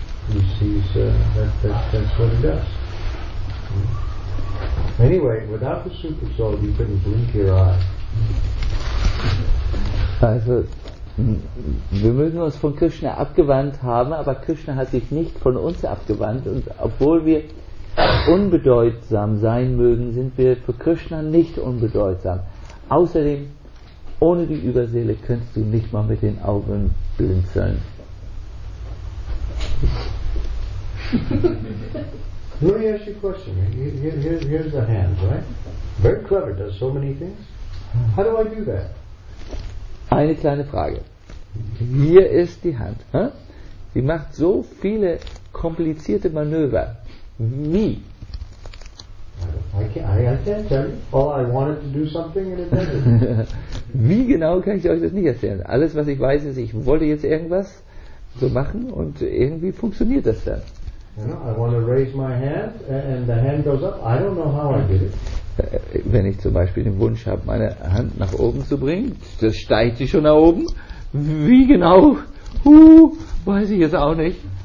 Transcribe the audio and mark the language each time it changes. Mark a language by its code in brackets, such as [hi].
[en] And so he sees that's what he does. Anyway, without the super soul, you couldn't blink your eye. [de] Also, wir mögen uns von Krishna abgewandt haben, aber Krishna hat sich nicht von uns abgewandt. Und obwohl wir unbedeutsam sein mögen, sind wir für Krishna nicht unbedeutsam. Außerdem, ohne die Überseele könntest du nicht mal mit den Augen blinzeln. [en] Let me ask you a question. Here's the hand, right? Very clever, does so many things. How do I do that? [de] Eine kleine Frage. Hier ist die Hand. Sie macht so viele komplizierte Manöver. Wie? [en] I can't tell you. All I wanted to do something and it didn't. [de] Wie genau kann ich euch das nicht erzählen? Alles, was ich weiß, ist, ich wollte jetzt irgendwas so machen und irgendwie funktioniert das dann. [en] I want to raise my hand and the hand goes up. I don't know how I did it. [de] Wenn ich zum Beispiel den Wunsch habe, meine Hand nach oben zu bringen, das steigt sie schon nach oben. Wie genau? Weiß ich jetzt auch nicht.